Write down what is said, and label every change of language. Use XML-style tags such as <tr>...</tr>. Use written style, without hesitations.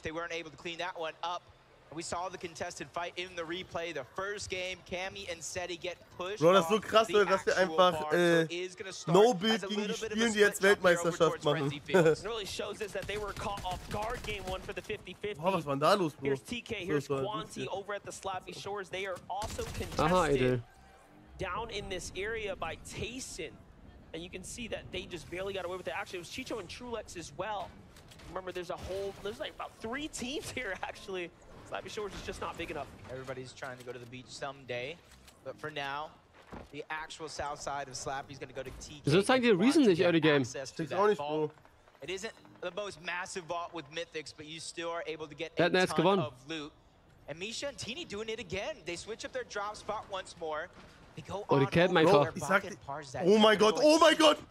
<en>They weren't able to clean that one up. We saw the contested fight in the replay, the first game, Cammy and Seti get pushed.</en> <de>Bro, das ist so krass, Leute, dass wir einfach no build gegen die spielen, die jetzt Weltmeisterschaft machen. Boah, was war denn da los, Bro?</de> <en>Here's TK, here's Quanti over at the Slappy Shores. They are also contested.</en> <de>Aha, Edel.</de> <en>Down in this area by Tayson. And you can see that they just barely got away with it. Actually, it was Chicho and Trulex as well. Remember, there's like about three teams here, actually. Slappy Shores is just not big enough. Everybody's trying to go to the beach someday. But for now, the actual south side of Slappy is going to go to TK.</en> <de>Das zeigt dir Reason nicht, early game. Ist auch nicht, Bro.</de> <en>It isn't the most massive vault with Mythics, but you still are able to get a ton of loot. And Misha and Tini doing it again. They switch up their drop spot once more.</en> <de>Oh, die kennt mein Kopf. Ich sag, oh mein Gott, oh mein Gott!</de>